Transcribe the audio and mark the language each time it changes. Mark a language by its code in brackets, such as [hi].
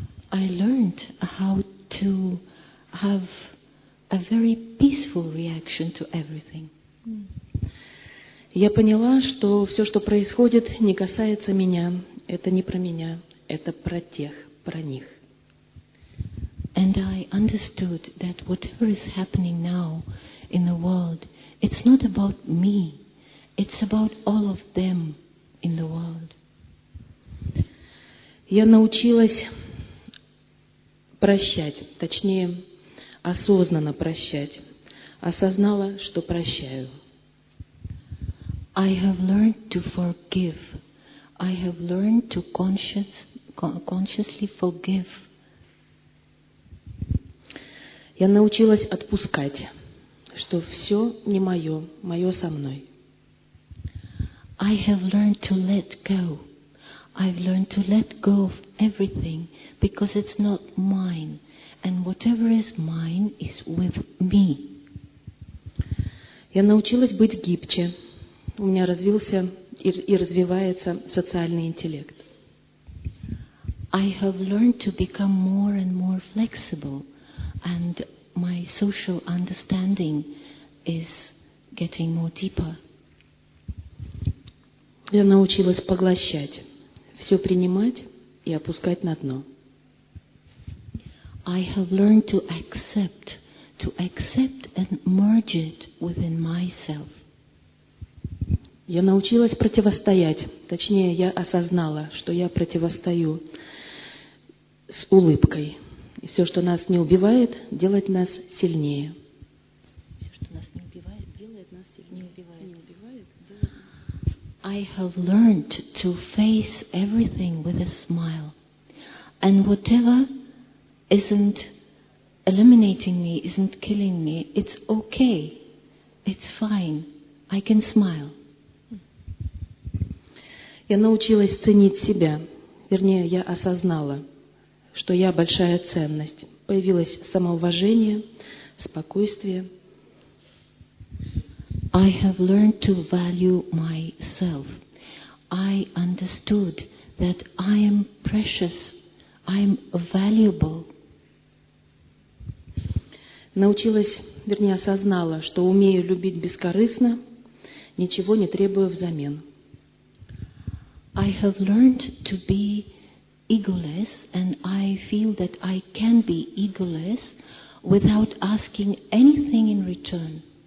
[en] I learned how to have a very peaceful reaction to everything. [ru] Я поняла, что все, что происходит, не касается меня. Это не про меня. Это про тех, про них. [en] And I understood that whatever is happening now in the world, it's not about me, it's about all of them in the world. [ru] Я научилась прощать, точнее, осознанно прощать. Осознала, что прощаю. [en] I have learned to forgive. I have learned to consciously forgive. [ru] Я научилась отпускать, что все не мое, мое со мной. [en] I have learned to let go. I've learned to let go of everything because it's not mine, and whatever is mine is with me. [ru] Я научилась быть гибче. У меня развился и развивается социальный интеллект. [en] I have learned to become more and more flexible, and my social understanding is getting more deeper. [ru] Я научилась поглощать, все принимать и опускать на дно. [en] I have learned to accept and merge it within myself. [ru] Я научилась противостоять, точнее, я осознала, что я противостою с улыбкой. И все, что нас не убивает, делает нас сильнее. Все, что нас не убивает, делает нас сильнее. Не убивает. [en] I have learned to face everything with a smile. And whatever isn't eliminating me, isn't killing me, it's okay. It's fine. I can smile. [ru] Я научилась ценить себя. Вернее, я осознала, что я большая ценность. Появилось самоуважение, спокойствие. [en] I have learned to value myself. I understood that I am precious, I am valuable. [ru] Научилась, вернее, осознала, что умею любить бескорыстно, ничего не требуя взамен. [en] I have learned to be egoless, and I feel that I can be egoless without asking anything in return.